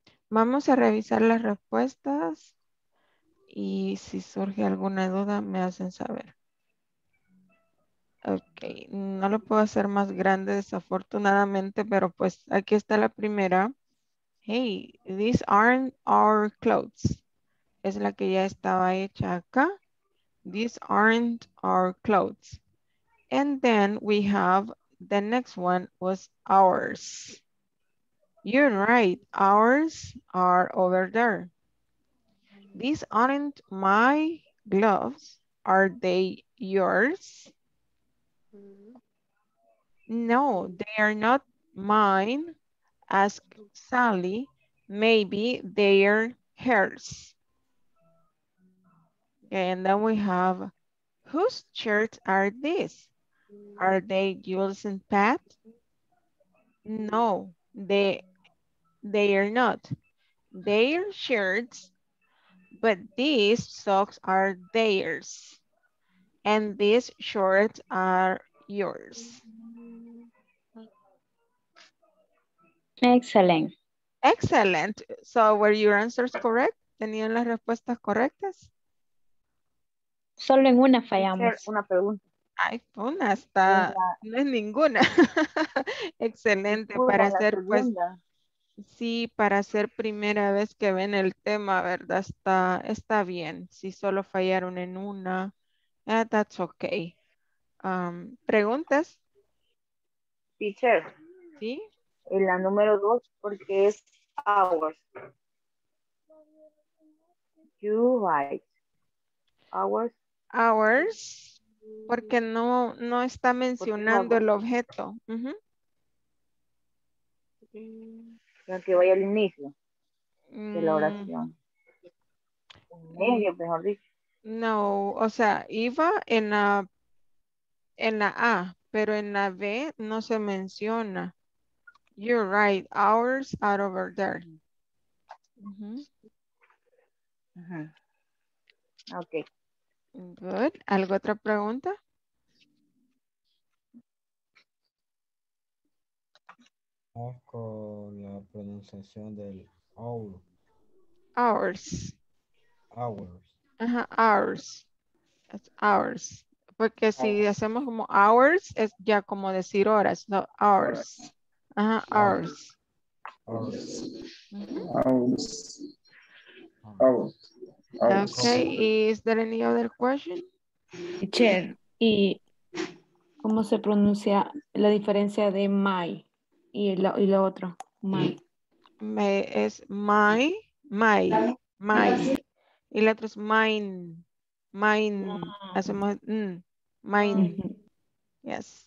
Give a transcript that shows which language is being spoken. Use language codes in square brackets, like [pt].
[es] Vamos a revisar las respuestas y si surge alguna duda me hacen saber. Okay, no lo puedo hacer más grande desafortunadamente, pero pues aquí está la primera. [en] Hey, these aren't our clothes. [es] Es la que ya estaba hecha acá. [en] These aren't our clothes. And then we have the next one was ours. You're right, ours are over there. These aren't my gloves. Are they yours? No, they are not mine. Ask Sally, maybe they're hers. And then we have, whose shirts are these? Are they Jules and Pat? No, they are not. They're shirts, but these socks are theirs. And these shorts are yours. Excellent. Excellent. So were your answers correct? [es] ¿Tenían las respuestas correctas? Solo en una fallamos. Una pregunta. Ay, una está, no es ninguna. Excelente, para hacer pues, sí, para ser primera vez que ven el tema, ¿verdad? Está bien, si solo fallaron en una, [en] that's okay. [es] ¿Preguntas? [en] Teacher. [es] Sí. En la número dos, porque es ours. [en] You write. Ours. Ours. [es] Porque no está mencionando el objeto. Creo que vaya al inicio de la oración. No, o sea, iba en la A, pero en la B no se menciona. [en] You're right, ours are over there. Okay. [es] Good. ¿Algo otra pregunta? Con la pronunciación del hour. [en] Hours. Hours. Ajá, hours. Hours. Porque si hours. [es] Hacemos como hours, es ya como decir horas, no, hours. [en] Ajá, hours. Hours. Hours. Hours. Okay, is there any other question? [es] Chair, ¿y cómo se pronuncia la diferencia de my y lo otro? [en] My. Me, es my, my, my. [es] Y la otra es mine, mine. Wow. Hacemos mine. Yes.